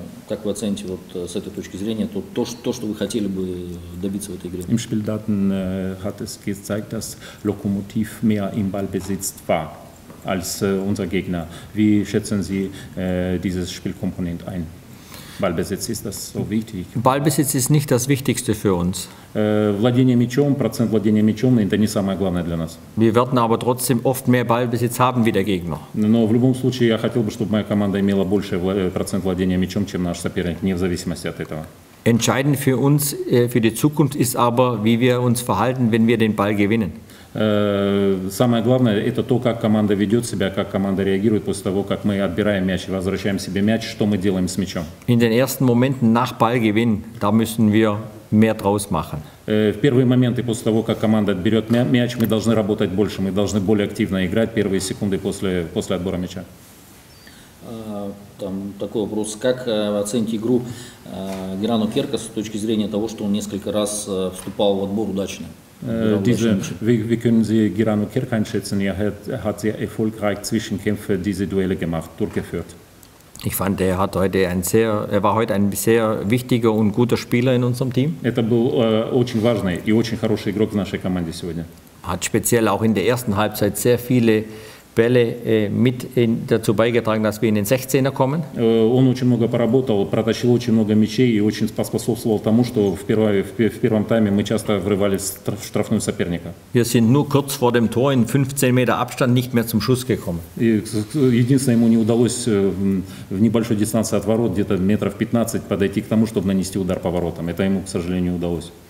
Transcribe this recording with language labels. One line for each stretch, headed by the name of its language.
Russian: Как вы оцените вот с этой точки зрения то, что вы хотели бы добиться в этой игре?
German: Im Spieldaten hat es gezeigt, dass Lokomotiv mehr im Ballbesitz war als unser Gegner. Wie schätzen Sie dieses Spielkomponent ein? Ballbesitz, ist das so wichtig? Ballbesitz ist nicht das Wichtigste für uns.
Russian: Владение мячом, процент владения мячом, это не самое главное для нас.
German: Wir werden aber trotzdem oft mehr Ballbesitz haben wie der Gegner.
Russian: Но в любом случае я хотел бы, чтобы моя команда имела больше процент владения мячом, чем наш соперник, не в зависимости от этого.
German: Entscheidend für uns, für die Zukunft ist aber, wie wir uns verhalten, wenn wir den Ball gewinnen.
Russian: Самое главное – это то, как команда ведет себя, как команда реагирует после того, как мы отбираем мяч и возвращаем себе мяч, что мы делаем с мячом.
German: In den ersten Momenten nach Ballgewinn, da müssen wir mehr draus machen.
Russian: В первые моменты после того, как команда отберет мяч, мы должны работать больше, мы должны более активно играть первые секунды после отбора мяча. Там такой вопрос. Как оценить игру Герану Керкас с точки зрения того, что он несколько раз вступал в отбор удачно?
German: Wie können Sie Girano Kirk einschätzen? Er hat sehr erfolgreich Zwischenkämpfe, diese Duelle gemacht, durchgeführt. Ich fand, er war heute ein sehr wichtiger und guter Spieler in unserem Team.
Russian: Это был очень важный и очень хороший игрок в нашей команде сегодня.
German: Hat speziell auch in der ersten Halbzeit sehr viele Bälle mit dazu beigetragen, dass wir in den 16er kommen.
Russian: Он очень много поработал, протащил очень много мячей и очень поспособствовал тому, что в первом тайме мы часто врывались в штрафную соперника.
German: Wir sind nur kurz vor dem Tor in 15 Meter Abstand nicht mehr zum Schuss gekommen.
Russian: Единственное, ему не удалось в небольшой дистанции от ворот, где-то метров 15, подойти к тому, чтобы нанести удар по воротам. Это ему, к сожалению, удалось.